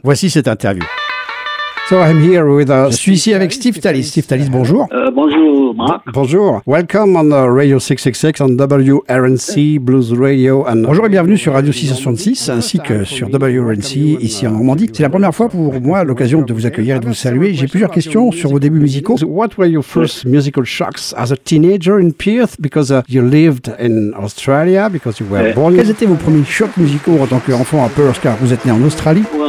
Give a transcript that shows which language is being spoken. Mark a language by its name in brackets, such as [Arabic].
[French] Voici cette interview. [English] So I'm here with Steve Tallis. Steve Tallis, bonjour. [French] Bonjour, Marc. [English] Bonjour. Welcome on Radio 666 on WRNC Blues Radio. [French] And bonjour et bienvenue sur Radio 666 ainsi que sur WRNC ici en Normandie. C'est la première fois pour moi l'occasion de vous accueillir et de vous saluer. J'ai plusieurs questions sur vos débuts musicaux. [English] What were your first musical shocks as a teenager in Perth because you lived in Australia because you were born? [French] Quels étaient vos premiers chocs musicaux en tant qu'enfant à Perth car vous êtes né en Australie?